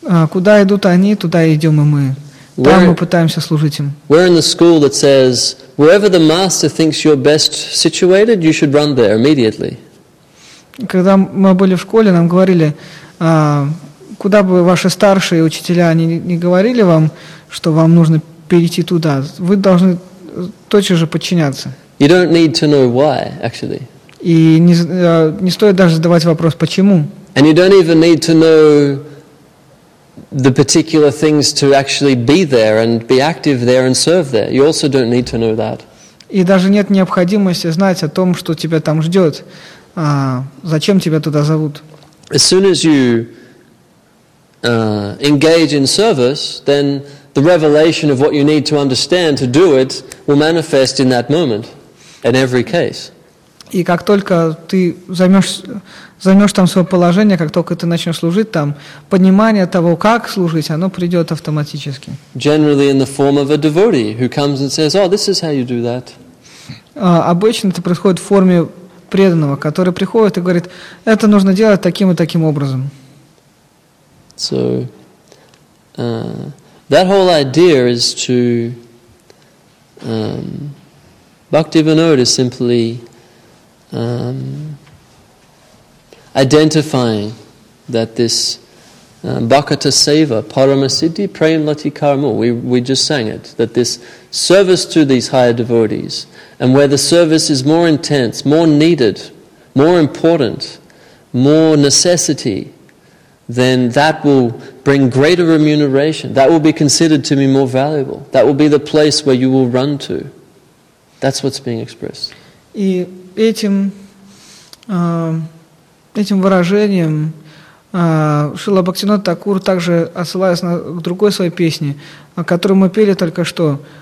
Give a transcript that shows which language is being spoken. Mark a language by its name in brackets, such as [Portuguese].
[Russian] Куда идут они, туда идем и мы. Там мы пытаемся служить им. [English] We're in the school that says, wherever the master thinks you're best situated, you should run there immediately. [Russian] Когда мы были в школе, нам говорили, куда бы ваши старшие учителя не говорили вам, что вам нужно перейти туда, вы должны точно же подчиняться. [English] You don't need to know why, actually. [Russian] И не стоит даже задавать вопрос, почему. [English] And you don't even need to know the particular things to actually be there and be active there and serve there. You also don't need to know that. [Russian] И даже нет необходимости знать о том, что тебя там ждет, зачем тебя туда зовут. [English] As soon as you engage in service, then the revelation of what you need to understand to do it will manifest in that moment, in every case. [Russian] И как только ты займешь там свое положение, как только ты начнешь служить там, понимание того, как служить, оно придет автоматически. [English] Generally in the form of a devotee who comes and says, oh, this is how you do that. [Russian] Обычно это происходит в форме преданного, который приходит и говорит, это нужно делать таким и таким образом. [English] So, that whole idea is to Bhaktivinoda simply identifying that this [Bangla] bhakata seva paramasiddhi premlati karma, [English] we just sang it, that this service to these higher devotees, and where the service is more intense, more needed, more important, more necessity, then that will bring greater remuneration, that will be considered to be more valuable, that will be the place where you will run to. That's what's being expressed. [Russian] И этим этим выражением Шрила Бхактивинода Такур также отсылается к другой своей песне, которую мы пели только что.